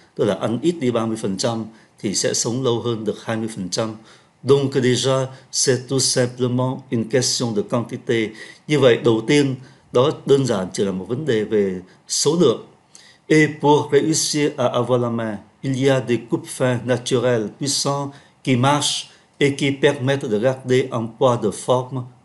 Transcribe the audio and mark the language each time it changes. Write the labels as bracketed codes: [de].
[vi] Tức là ăn ít đi 30% thì sẽ sống lâu hơn được 20%. [fr] Donc déjà, c'est tout simplement une question de quantité. [vi] Như vậy, đầu tiên, đó đơn giản chỉ là một vấn đề về số lượng. [fr] Et pour réussir à avoir la main, il y a des coupe-faim naturels puissants qui marchent et qui permettent de garder un poids de forme.